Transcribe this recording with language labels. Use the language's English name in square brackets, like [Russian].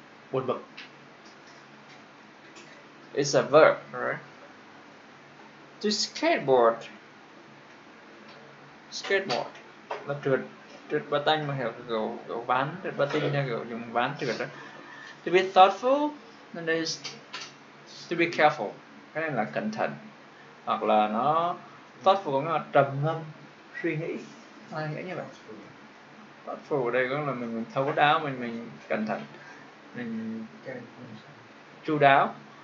[Vietnamese] Buồn bực. [English] It's a verb, right? To skateboard. [Vietnamese] Skateboard là trượt. Trượt ba tanh mà hiểu kiểu ván. Trượt ba tinh nha, kiểu dùng ván trượt đó. [English] To be thoughtful and is to be careful. [Vietnamese] Cái này là cẩn thận. Hoặc là nó thoughtful có nghĩa là trầm ngâm, suy nghĩ. Ai nghĩ như vậy? Thoughtful ở đây có nghĩa là mình thấu đáo, mình cẩn thận, mình chu đáo.